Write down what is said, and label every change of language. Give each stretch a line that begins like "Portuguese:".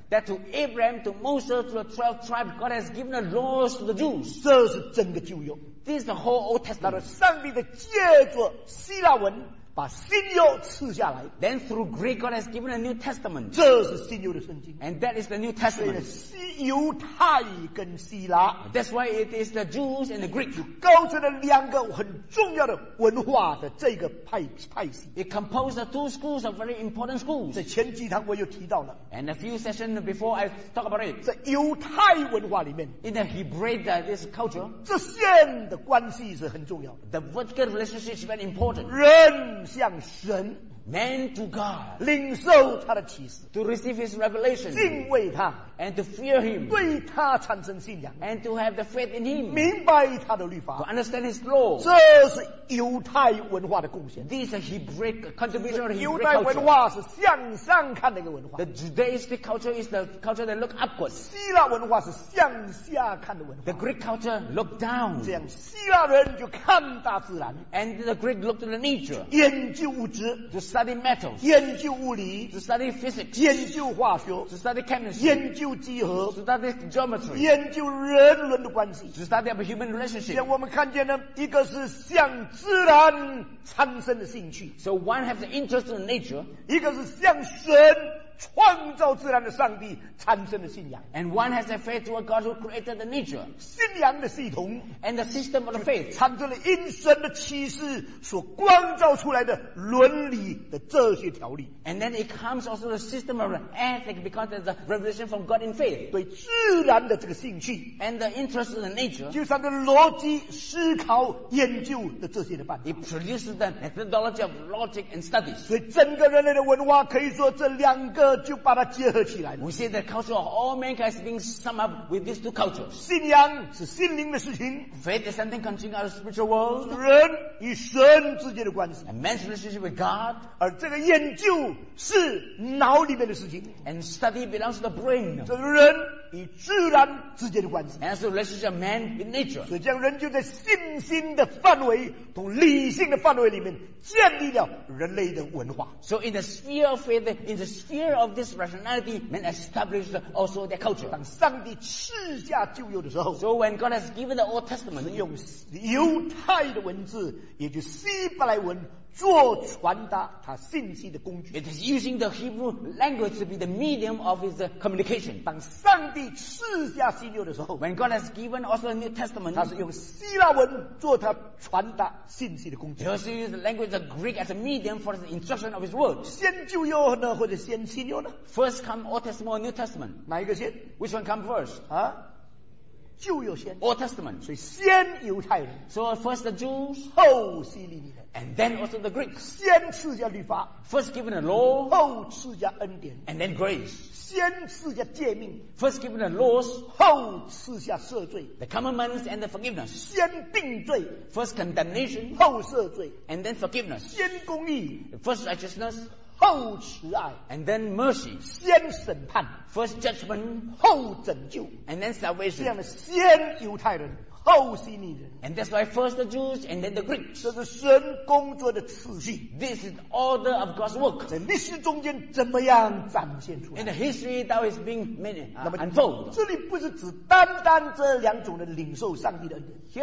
English: That to Abraham, to Moses, to the 12 tribes, God has given the laws to the Jews.
Chinese: 这是整个旧约.
English: This is the whole Old Testament.
Chinese: 那上帝的借着希腊文, 把新约赐下来,
English: then through Greek God has given a New Testament.
Chinese: 这是新约的圣经,
English: and that is the New Testament.
Chinese: 犹太跟希腊,
English: that's why it is the Jews and the Greeks.
Chinese: 构成了两个很重要的文化的这个派系.
English: It composed the two schools of very important schools.
Chinese: 这前几堂我又提到了,
English: and a few sessions before I talk about it.
Chinese: 在犹太文化里面,
English: in the Hebraic this culture,
Chinese: 这线的关系是很重要的.
English: The vertical relationship is very important.
Chinese: 人向神,
English: Man to God.
Chinese: 领受他的启示,
English: to receive his revelation.
Chinese: 敬畏他,
English: and to fear him.
Chinese: 对他产生信仰,
English: and to have the faith in him.
Chinese: 明白他的律法,
English: to understand his law.
Chinese: 这是犹太文化的贡献,
English: this is a Hebraic contribution of Hebraic culture.
Chinese: 犹太文化是向上看的一个文化,
English: the Judaistic culture is the culture that look upwards.
Chinese: 希腊文化是向下看的文化,
English: the Greek culture look down.
Chinese: 这样希腊人就看大自然,
English: and the Greek look to the nature.
Chinese: 研究物质,
English: to study metals,
Chinese: 研究物理,
English: to study physics,
Chinese: 研究化学,
English: to study chemistry,
Chinese: 研究几何,
English: to study geometry,
Chinese: 研究人伦的关系,
English: to study of human relationship.
Chinese: 我们看见呢, 一个是向自然产生的兴趣,
English: so one has an interest in nature,
Chinese: 一个是向神, 创造自然的上帝产生的信仰,
English: and one has a faith to a God who created the nature,
Chinese: 信仰的系统,
English: and the system of the faith,
Chinese: 产生了因神的启示所光照出来的伦理的这些条例,
English: and then it comes also the system of the ethic, because there's a revelation from God in faith,
Chinese: 对自然的这个兴趣,
English: and the interest in the nature,
Chinese: 就像逻辑思考研究的这些的办法,
English: it produces the methodology of logic and studies,
Chinese: 所以整个人类的文化可以说这两个,
English: we say the culture of all mankind is being summed up with these two cultures.
Chinese: 信仰是心灵的事情,
English: faith is something concerning our spiritual world,
Chinese: 人与神之间的关系,
English: and man's relationship with God,
Chinese: 而这个研究是脑里面的事情,
English: and study belongs to the brain,
Chinese: 这个人, 与自然之间的关系,
English: and so relationship of man with nature,
Chinese: 所以这样人就在信心的范围和理性的范围里面建立了人类的文化,
English: so in the sphere of faith, in the sphere of this rationality, man established also their culture.
Chinese: 当上帝赐下旧约的时候,
English: so when God has given the Old Testament,
Chinese: 用犹太的文字, 也就希伯来文, 做传达他信息的工具,
English: it is using the Hebrew language to be the medium of his communication.
Chinese: 当上帝赐下新约的时候,
English: when God has given also the New Testament,
Chinese: 他是用希腊文做他传达信息的工具,
English: he also used the language of Greek as a medium for the instruction of his word.
Chinese: 先旧约呢, 或者先新约呢?
English: First come Old Testament or New Testament?
Chinese: 哪一个先?
English: Which one come first?
Chinese: 啊?旧约先,
English: Old Testament.
Chinese: 所以先犹太人,
English: so first the Jews,
Chinese: 后希利尼人,
English: and then also the Greeks.
Chinese: 先赐下律法,
English: first given the law,
Chinese: 后赐下恩典,
English: and then grace.
Chinese: 先赐下诫命,
English: first given the laws,
Chinese: 后赐下赦罪,
English: the commandments and the forgiveness.
Chinese: 先定罪,
English: first condemnation,
Chinese: 后赦罪,
English: and then forgiveness.
Chinese: 先公义,
English: first righteousness,
Chinese: 后慈爱,
English: and then mercy.
Chinese: 先审判,
English: first judgment,
Chinese: 后拯救,
English: and then salvation.
Chinese: 这样的先犹太人, 后希利人,
English: and that's why first the Jews and then the Greeks.
Chinese: 这是神工作的次序,
English: this is the order of God's work.
Chinese: 在历史中间怎么样展现出来,
English: in the history that is being made, unfold.
Chinese: 这里不是只单单这两种人领受上帝的恩典,